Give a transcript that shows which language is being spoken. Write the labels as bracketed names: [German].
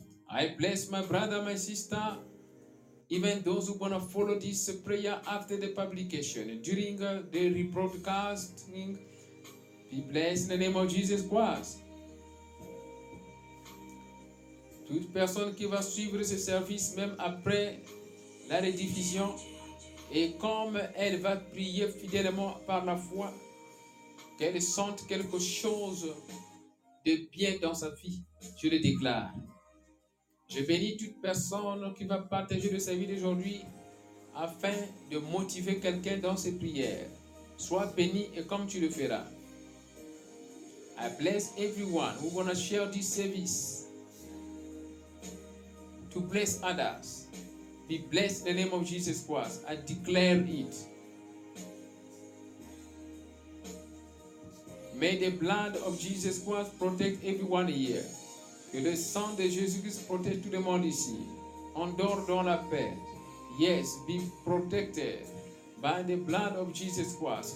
[English] I bless my brother, my sister, even those who want to follow this prayer after the publication, during the rebroadcasting. Be blessed in the name of Jesus Christ. [French] Toute personne qui va suivre ce service, même après la rediffusion, et comme elle va prier fidèlement par la foi, qu'elle sente quelque chose de bien dans sa vie, je le déclare. Je bénis toute personne qui va partager de sa vie d'aujourd'hui afin de motiver quelqu'un dans ses prières. Sois béni et comme tu le feras. [English] I bless everyone who gonna share this service to bless others. Be blessed in the name of Jesus Christ. I declare it. May the blood of Jesus Christ protect everyone here. [French] Que le sang de Jésus-Christ protège tout le monde ici. Endors dans la paix. [English] Yes, be protected by the blood of Jesus Christ.